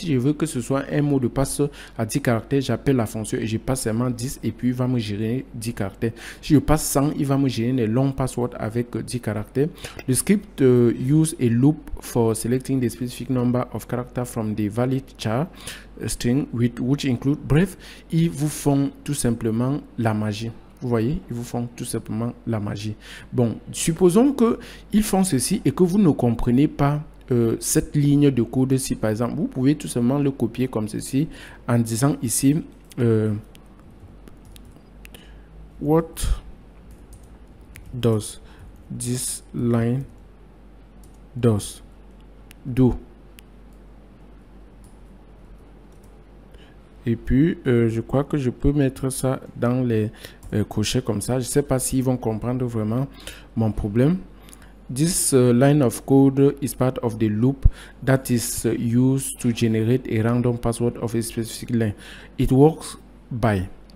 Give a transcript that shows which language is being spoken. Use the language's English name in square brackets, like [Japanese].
[French] Si je veux que ce soit un mot de passe à 10 caractères, j'appelle la fonction et je passe seulement 10 et puis il va me générer 10 caractères. Si je passe 100, il va me générer les longs passwords avec 10 caractères. [English] Le script use a loop for selecting the specific number of characters from the valid char string with which include. [French] Bref, ils vous font tout simplement la magie. Vous voyez, ils vous font tout simplement la magie. Bon, supposons que ils font ceci et que vous ne comprenez pas cette ligne de code ici, par exemple. Vous pouvez tout simplement le copier comme ceci en disant ici [English] what does this line do. [French] Et puis, je crois que je peux mettre ça dans les crochets comme ça. Je ne sais pas s'ils vont comprendre vraiment mon problème. [English] This line of code is part of the loop that is used to generate a random password of a specific length. It works by.